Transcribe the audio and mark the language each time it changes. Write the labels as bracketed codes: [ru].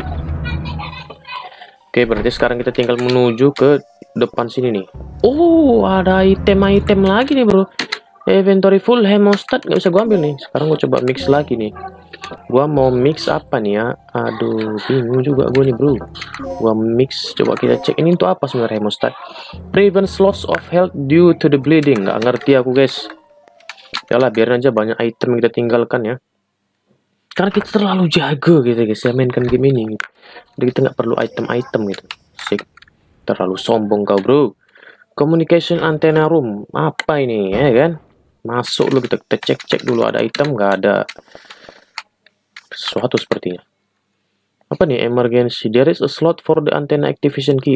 [id] Oke, berarti sekarang kita tinggal menuju ke depan sini nih. Oh, ada item-item lagi nih bro. Inventory full, hemostat nggak bisa gua ambil nih. Sekarang gua coba mix lagi nih. Gua mau mix apa nih ya? Aduh, bingung juga gua nih bro. Gua mix, coba kita cek ini untuk apa sebenarnya hemostat. [en] Prevents loss of health due to the bleeding. [id] Nggak ngerti aku guys. Yalah, biarin aja banyak item kita tinggalkan ya. Karena kita terlalu jago gitu guys ya, mainkan game ini. Jadi kita nggak perlu item-item gitu. Sik, terlalu sombong kau bro. Communication antenna room, apa ini ya kan? Masuk dulu, kita cek-cek dulu ada item nggak, ada sesuatu sepertinya. Apa nih, [en] emergency, there is a slot for the antenna activation key.